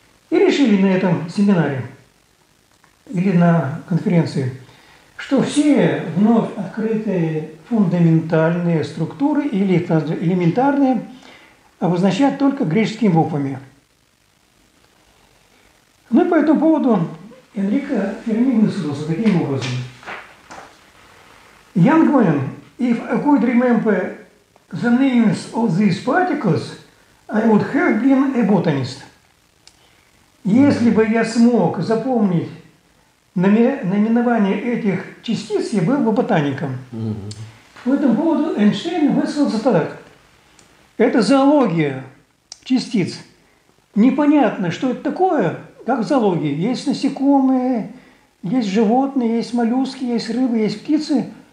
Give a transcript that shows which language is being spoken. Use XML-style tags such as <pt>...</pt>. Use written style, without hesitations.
<ru>И решили на этом семинаре или на конференции, что все вновь открытые фундаментальные структуры или элементарные обозначают только греческими буквами. Ну и по этому поводу Энрико Ферми высказался таким образом.</ru> <en>Young man, if I could remember the names of these particles, I would have been a botanist.</en> <ru>Если бы я смог запомнить наименование этих частиц, я был бы ботаником. В этом поводу Эйнштейн высказался так. Это зоология частиц. непонятно, что это такое, как в зоологии. Есть насекомые, есть животные, есть моллюски, есть рыбы, есть птицы.</ru>